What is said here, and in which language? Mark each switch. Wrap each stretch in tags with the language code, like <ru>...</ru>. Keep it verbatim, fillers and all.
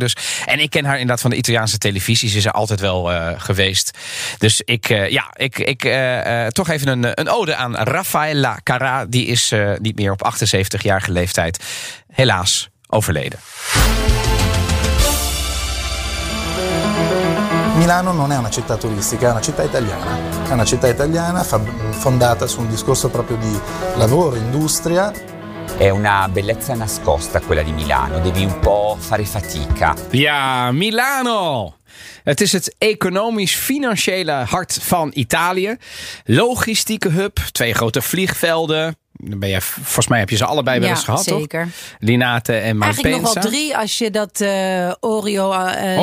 <nl>Dus, en ik ken haar inderdaad van de Italiaanse televisie. Ze is er altijd wel uh, geweest. Dus ik, uh, ja, ik, ik uh, uh, toch even een, een ode aan Raffaella Carrà. Die is uh, niet meer op achtenzeventigjarige leeftijd helaas overleden.</nl> <it>Milano non è una città turistica, è una città italiana. È una città italiana fondata su un discorso proprio di lavoro, industria. È una bellezza nascosta quella di Milano, devi un po' fare fatica.</it> <nl>Ja, Milano! Het is het economisch-financiële hart van Italië. Logistieke hub, twee grote vliegvelden. ben jij, volgens mij heb je ze allebei wel eens ja, gehad, zeker. Toch? Linate en Malpensa. Eigenlijk nog wel drie als je dat uh, Orio... Uh,</nl>